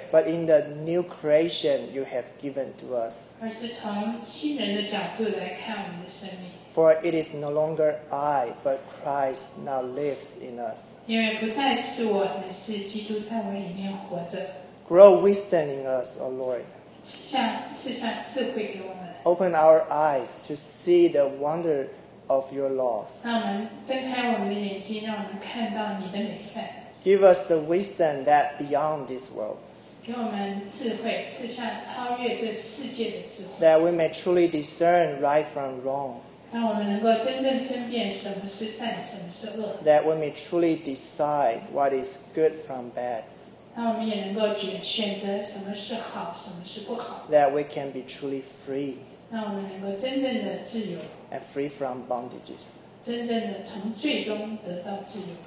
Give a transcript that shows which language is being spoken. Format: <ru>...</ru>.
<en>but in the new creation you have given to us.</en> <zh>而是从新人的角度来看我们的生命</zh> <en>For it is no longer I, but Christ now lives in us.</en> <zh>因为不再是我，乃是基督在我里面活着</zh> <en>Grow wisdom in us, O Lord.</en> <zh>赐上智慧给我们</zh> <en>Open our eyes to see the wonder of your law.</en> <zh>让我们睁开我们的眼睛，让我们看到你的美善。</zh> <en>Give us the wisdom that beyond this world.</en> <zh>给我们智慧，赐下超越这世界的智慧。</zh> <en>That we may truly discern right from wrong.</en> <zh>让我们能够真正分辨什么是善，什么是恶。</zh> <en>That we may truly decide what is good from bad.</en> <zh>让我们也能够选择什么是好，什么是不好。</zh> <en>That we can be truly free.</en> <zh>让我们能够真正的自由。</zh> <en>And free from bondages.</en> <zh>真正的从罪中得到自由。</zh>